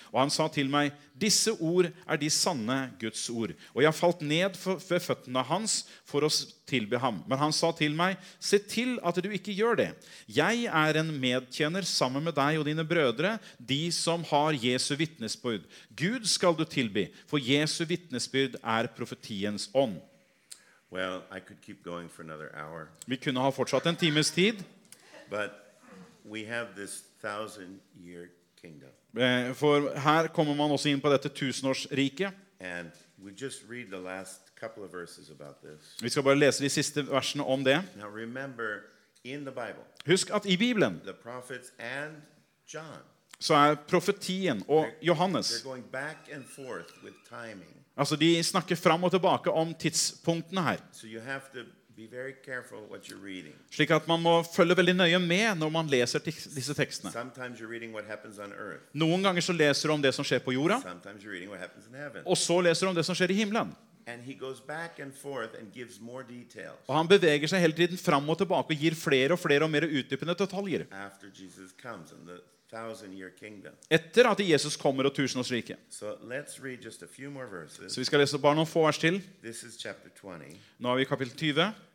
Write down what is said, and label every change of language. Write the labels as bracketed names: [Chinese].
[Norwegian] Og han sa til meg, disse ord de sanne Guds ord. Og jeg falt ned ved føttene hans for å tilbe ham. Men han sa til meg, se til at du ikke gjør det. Jeg en medtjener sammen med deg og dine brødre, de som har Jesu vitnesbyrd. Gud skal du tilbe, for Jesu vitnesbyrd profetiens ånd. [English] Well, I could keep going for another hour. [Norwegian] Vi kunne ha fortsatt en times tid. [English] But we have this 1,000-year kingdom. [Norwegian] For her kommer man også inn på dette tusenårsriket. [English] And we just read the last couple of verses about this. [Norwegian] Vi skal bare lese de siste versene om det. [English] Now remember, in the Bible. [Norwegian] Husk at I Bibelen. [English] The prophets and John. [Norwegian] Så profetien og Johannes. [English] They're going back and forth with timing. [Norwegian] Altså, de snakker frem og tilbake om tidspunktene her. [English] So you have to be very careful what you're reading. [Norwegian] Slik at man må følge veldig nøye med når man leser disse tekstene. [English] Sometimes you're reading what happens on earth. [Norwegian] Noen ganger så leser du om det som skjer på jorda. [English] Sometimes you're reading what happens in heaven. [Norwegian] Og så leser du om det som skjer I himmelen. [English] And he goes back and forth and gives more details. [Norwegian] Og han beveger seg hele tiden frem og tilbake og gir flere og flere og mer utdypende detaljer. [English] After Jesus comes and the 1,000-year kingdom. [Norwegian] Etter at Jesus kommer og tusenårsrike. [English] So let's read just a few more verses. [Norwegian] Så vi skal lese bare noen få vers til. [English] This is chapter 20. [Norwegian] Nå vi kapittel 20.